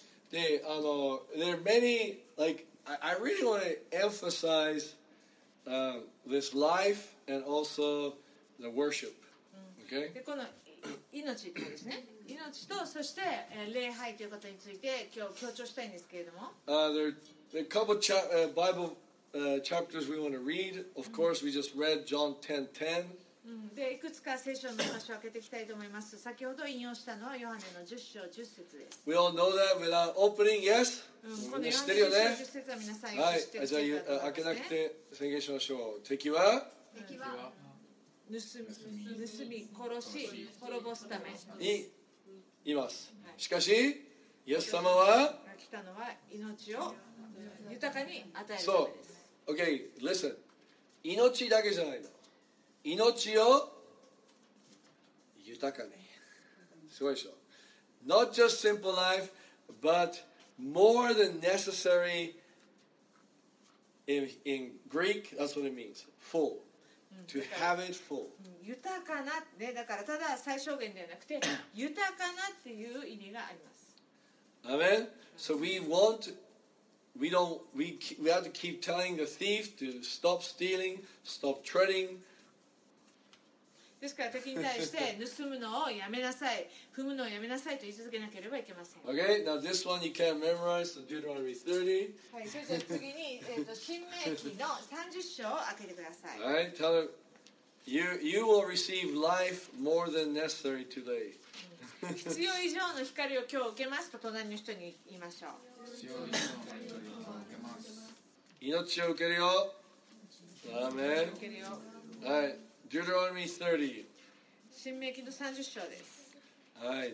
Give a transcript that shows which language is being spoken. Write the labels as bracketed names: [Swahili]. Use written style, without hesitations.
[English] で、there are many, like, I really want to emphasize, this life and also the worship. Okay? [Japanese] で、この命ですね。命と、そして、礼拝ということについて、今日強調したいんですけれども。 [English] There are a couple Bible, chapters we want to read. Of course, we just read John 10:10. [Japanese] でいくつか聖書の場所を開けていきたいと思います。先ほど引用したのはヨハネの10章10節です。 [English] We all know that without opening, yes? [Japanese] この知ってるよね。ヨハネの10章10節は皆さんよく知ってる、はい、じゃあ開けなくて宣言しましょう。敵は盗み殺し滅ぼすためにいます。しかしイエス様は来たのは命を豊かに与えるためです。 [English] So, okay, listen. [Japanese] 命だけじゃないの。命を豊かに。すごいでしょ。 [English] Not just simple life, but more than necessary in Greek, that's what it means. Full. To have it full. [Japanese] 豊かな、ね、だからただ最小限ではなくて、豊かなっていう意味があります。 [English] Amen? So we want... we have to keep telling the thief to stop stealing, stop treading, [Japanese] ですから敵に対して盗むのをやめなさい、踏むのをやめなさいと言い続けなければいけません。 [English] Okay, now this one you can memorize Deuteronomy 30. [Japanese] はい、それじゃあ次に新命記の30章を開けてください。 [English] All right, tell her, you will receive life more than necessary today. [Japanese] 必要以上の光を今日受けますと隣の人に言いましょう。命を受けるよ。アーメン。はい。 [English] Deuteronomy 30。 [Japanese] 申命記の30章です。はい。